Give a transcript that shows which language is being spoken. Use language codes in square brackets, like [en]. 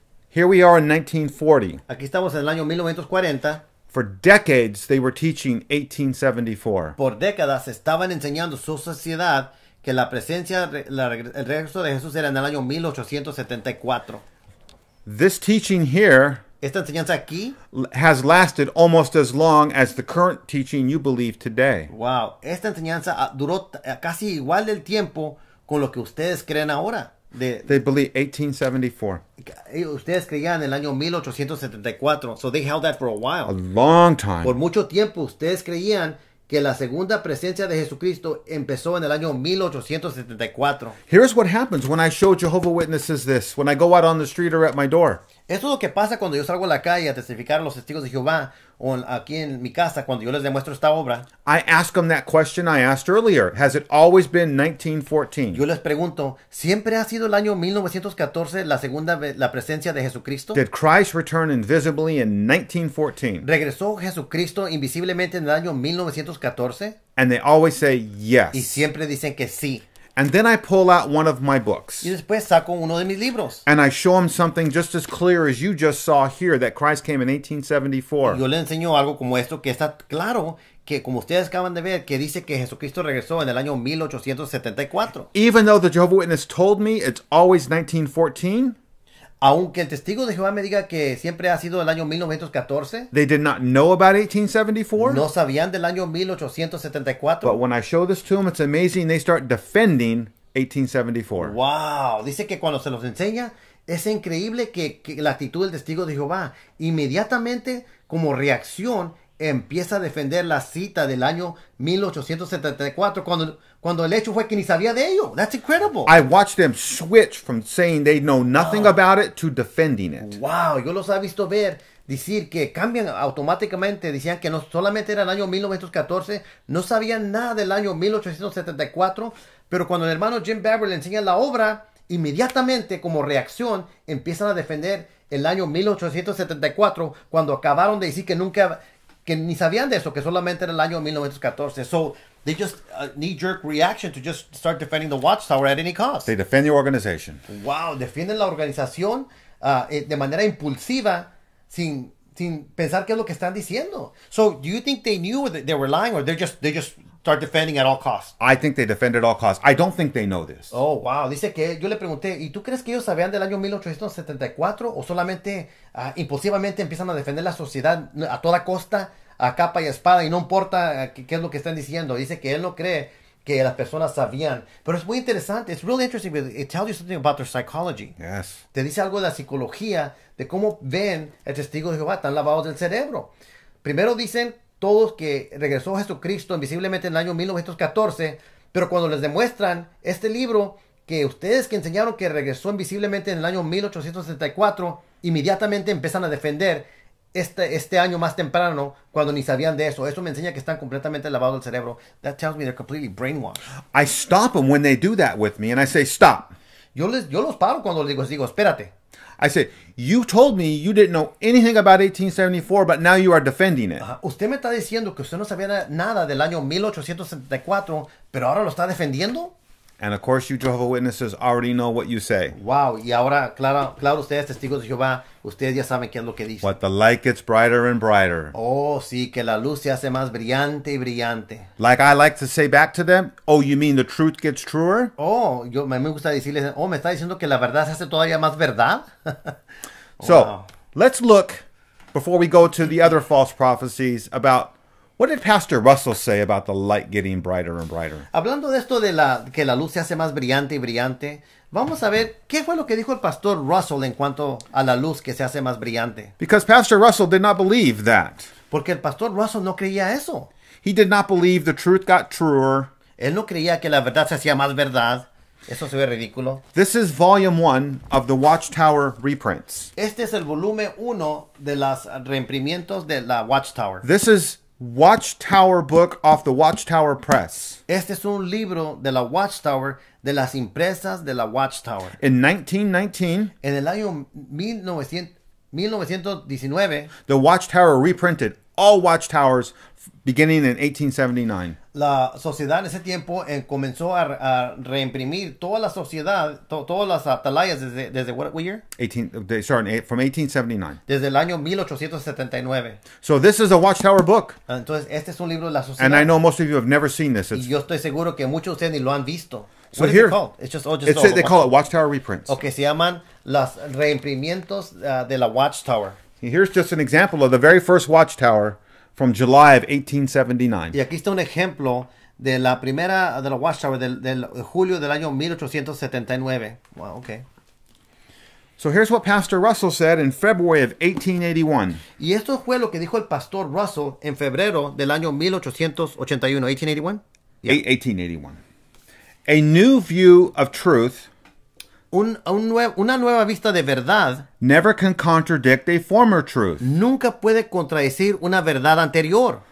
[en] Here we are in 1940. [es] Aquí estamos en el año 1940. [en] For decades, they were teaching 1874. [es] Por décadas, estaban enseñando su sociedad que la presencia, el regreso de Jesús era en el año 1874. [en] This teaching here, [es] esta enseñanza aquí, [en] has lasted almost as long as the current teaching you believe today. [es] Wow, esta enseñanza duró casi igual del tiempo con lo que ustedes creen ahora. [en] They believe 1874. [es] Ustedes creían en el año 1874, [en] so they held that for a while. A long time. [es] Por mucho tiempo, ustedes creían que la segunda presencia de Jesucristo empezó en el año 1874. [en] Here's what happens when I show Jehovah's Witnesses this, when I go out on the street or at my door. [es] Esto es lo que pasa cuando yo salgo a la calle a testificar a los testigos de Jehová o aquí en mi casa cuando yo les demuestro esta obra. [en] I ask them that question I asked earlier. Has it always been 1914? [es] Yo les pregunto, ¿siempre ha sido el año 1914 la segunda la presencia de Jesucristo? [en] Did Christ return invisibly in 1914? [es] ¿Regresó Jesucristo invisiblemente en el año 1914? [en] And they always say yes. [es] Y siempre dicen que sí. [en] And then I pull out one of my books. [es] Y después saco uno de mis libros. [en] And I show him something just as clear as you just saw here, that Christ came in 1874. [es] Yo le enseño algo como esto, que está claro, que como ustedes acaban de ver, que dice que Jesucristo regresó en el año 1874. [en] Even though the Jehovah's Witness told me it's always 1914, [es] aunque el testigo de Jehová me diga que siempre ha sido el año 1914, [en] they did not know about 1874. [es] No sabían del año 1874. [en] But when I show this to them, it's amazing they start defending 1874. [es] Wow, dice que cuando se los enseña, es increíble que la actitud del testigo de Jehová, inmediatamente como reacción, empieza a defender la cita del año 1874 cuando el hecho fue que ni sabía de ello. [en] That's incredible. I watched them switch from saying they know nothing about it to defending it. [es] Wow, yo los he visto ver decir que cambian automáticamente, decían que no solamente era el año 1914, no sabían nada del año 1874, pero cuando el hermano Jim Barber le enseña la obra, inmediatamente como reacción empiezan a defender el año 1874 cuando acabaron de decir que nunca, que ni sabían de eso, que solamente era el año 1914. [en] So they just a knee-jerk reaction to just start defending the Watchtower at any cost. They defend the organization. [es] Wow, defienden la organización de manera impulsiva sin pensar qué es lo que están diciendo. [en] So do you think they knew that they were lying, or they just start defending at all costs? I think they defend at all costs. I don't think they know this. Oh, wow. [es] Dice que yo le pregunté, ¿y tú crees que ellos sabían del año 1874 o solamente impulsivamente empiezan a defender la sociedad a toda costa, a capa y espada, y no importa qué es lo que están diciendo? Dice que él no cree que las personas sabían. Pero es muy interesante. [en] It's really interesting. It tells you something about their psychology. Yes. [es] Te dice algo de la psicología, de cómo ven el testigo de Jehová, tan lavados del cerebro. Primero dicen todos que regresó Jesucristo invisiblemente en el año 1914, pero cuando les demuestran este libro, que ustedes que enseñaron que regresó invisiblemente en el año 1874, inmediatamente empiezan a defender este año más temprano, cuando ni sabían de eso. Eso me enseña que están completamente lavados del cerebro. [en] That tells me they're completely brainwashed. I stop them when they do that with me, and I say, stop. [es] Yo los paro cuando les digo, espérate. [en] I say, you told me you didn't know anything about 1874, but now you are defending it. [es] Usted me está diciendo que usted no sabía nada del año 1874, pero ahora lo está defendiendo. [en] And of course, you Jehovah's Witnesses already know what you say. [es] Wow, y ahora, claro, ustedes testigos de Jehová, ustedes ya saben qué es lo que dicen. [en] But the light gets brighter and brighter. [es] Oh, sí, que la luz se hace más brillante y brillante. [en] Like I like to say back to them, oh, you mean the truth gets truer? [es] Oh, yo me gusta decirles, oh, me está diciendo que la verdad se hace todavía más verdad. [en] So, wow. Let's look, before we go to the other false prophecies, about what did Pastor Russell say about the light getting brighter and brighter? [es] Hablando de esto de la que la luz se hace más brillante y brillante, vamos a ver qué fue lo que dijo el Pastor Russell en cuanto a la luz que se hace más brillante. [en] Because Pastor Russell did not believe that. [es] Porque el Pastor Russell no creía eso. [en] He did not believe the truth got truer. [es] Él no creía que la verdad se hacía más verdad. Eso se ve ridículo. [en] This is volume 1 of the Watchtower reprints. [es] Este es el volumen 1 de las reimprimientos de la Watchtower. [en] This is Watchtower book off the Watchtower Press. [es] Este es un libro de la Watchtower, de las impresas de la Watchtower. [en] In 1919, [es] en el año 1919, [en] the Watchtower reprinted all Watchtowers beginning in 1879. [es] La sociedad en ese tiempo comenzó a reimprimir toda la sociedad, todas las atalayas desde [en] what year? From 1879. [es] Desde el año 1879. [en] So this is a Watchtower book. [es] Entonces este es un libro de la sociedad. [en] And I know most of you have never seen this. [es] Y yo estoy seguro que muchos de ustedes ni lo han visto. [en] So here, they call it Watchtower reprints. [es] Okay, se llaman las reimprimientos de la Watchtower. [en] Here's just an example of the very first Watchtower from July of 1879. [es] Y aquí está un ejemplo de la primera de la Watchtower del julio del año 1879. Wow, okay. [en] So here's what Pastor Russell said in February of 1881. [es] Y esto fue lo que dijo el Pastor Russell en febrero del año 1881. [en] 1881? Yeah. 1881. A new view of truth. [es] Una nueva vista de verdad [en] never can contradict a former truth. [es] Nunca puede contradecir una verdad anterior.